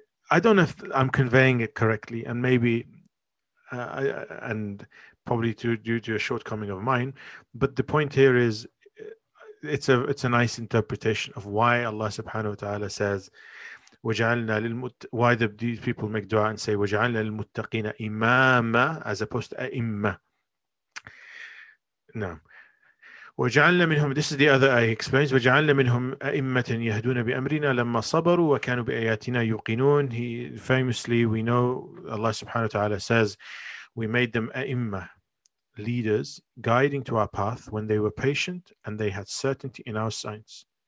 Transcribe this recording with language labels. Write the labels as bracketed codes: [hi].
[en] I don't know if I'm conveying it correctly, and maybe probably due to a shortcoming of mine. But the point here is, It's a nice interpretation of why Allah subhanahu wa ta'ala says, why these people make dua and say, [ar] وَجَعَلْنَا لِلْمُتَّقِينَ إِمَامًا, [en] as opposed to أَئِمَّةً. No. [ar] وَجَعَلْنَا مِنْهُمْ, [en] this is the other ayah he explains, [ar] وَجَعَلْنَا مِنْهُمْ أَئِمَّةً يَهْدُونَ بِأَمْرِنَا لَمَّا صَبَرُوا وَكَانُوا بِآيَاتِنَا يُقِنُونَ. [en] He famously, we know Allah subhanahu wa ta'ala says, we made them أَئِمَّةً, leaders guiding to our path when they were patient and they had certainty in our signs.